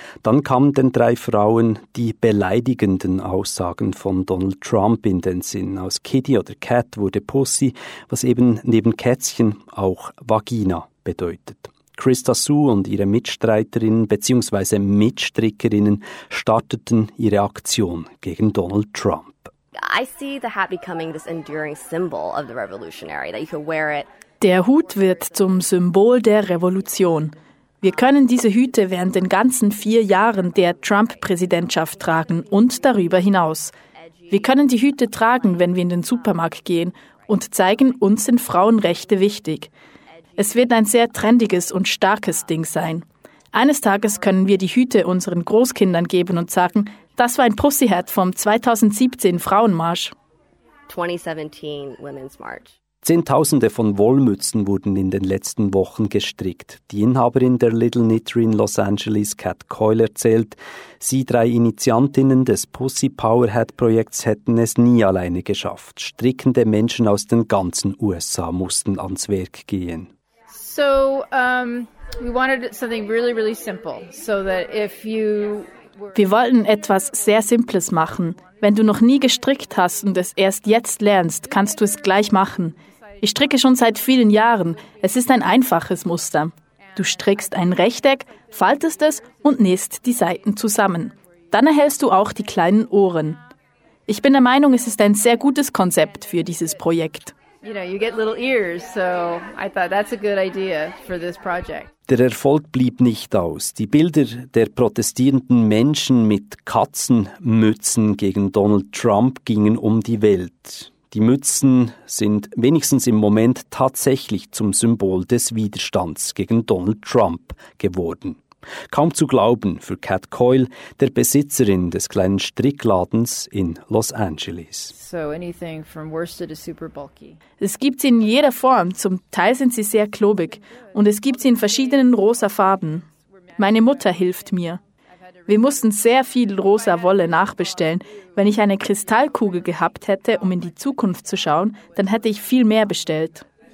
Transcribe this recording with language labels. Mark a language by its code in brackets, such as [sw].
[de] Dann kamen den drei Frauen die beleidigenden Aussagen von Donald Trump in den Sinn. Aus Kitty oder Cat wurde Pussy, was eben neben Kätzchen auch Vagina bedeutet. Krista Su und ihre Mitstreiterinnen bzw. Mitstrickerinnen starteten ihre Aktion gegen Donald Trump. [en] I see the hat becoming this enduring symbol of the revolutionary, that you can wear it. [de] Der Hut wird zum Symbol der Revolution. Wir können diese Hüte während den ganzen 4 Jahren der Trump-Präsidentschaft tragen und darüber hinaus. Wir können die Hüte tragen, wenn wir in den Supermarkt gehen und zeigen, uns sind Frauenrechte wichtig. Es wird ein sehr trendiges und starkes Ding sein. Eines Tages können wir die Hüte unseren Großkindern geben und sagen, das war ein Pussyhat vom 2017 Frauenmarsch. [en] 2017 Women's March. [de] Zehntausende von Wollmützen wurden in den letzten Wochen gestrickt. Die Inhaberin der Little Knittery in Los Angeles, Kat Coyle, erzählt, sie drei Initiantinnen des Pussy Power Hat Projekts hätten es nie alleine geschafft. Strickende Menschen aus den ganzen USA mussten ans Werk gehen. [en] So, we wanted something really, really simple, so that if you... [de] Wir wollten etwas sehr Simples machen. Wenn du noch nie gestrickt hast und es erst jetzt lernst, kannst du es gleich machen. Ich stricke schon seit vielen Jahren. Es ist ein einfaches Muster. Du strickst ein Rechteck, faltest es und nähst die Seiten zusammen. Dann erhältst du auch die kleinen Ohren. Ich bin der Meinung, es ist ein sehr gutes Konzept für dieses Projekt. [en] You know, you get little ears, so I thought that's a good idea for this project. [de] Der Erfolg blieb nicht aus. Die Bilder der protestierenden Menschen mit Katzenmützen gegen Donald Trump gingen um die Welt. Die Mützen sind wenigstens im Moment tatsächlich zum Symbol des Widerstands gegen Donald Trump geworden. Kaum zu glauben für Kat Coyle, der Besitzerin des kleinen Strickladens in Los Angeles. [en] So anything from worsted is super bulky. [de] Es gibt sie in jeder Form, zum Teil sind sie sehr klobig. Und es gibt sie in verschiedenen rosa Farben. Meine Mutter hilft mir. Wir mussten sehr viel rosa Wolle nachbestellen. Wenn ich eine Kristallkugel gehabt hätte, um in die Zukunft zu schauen, dann hätte ich viel mehr bestellt.